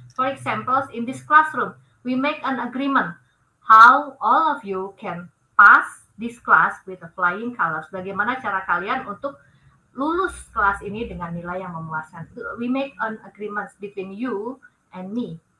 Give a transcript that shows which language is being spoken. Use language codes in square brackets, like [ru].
[en] For example, in this classroom, we make an agreement how all of you can pass this class with a flying colors. [id] Bagaimana cara kalian untuk lulus kelas ini dengan nilai yang memuaskan. [en] We make an agreement between you and me.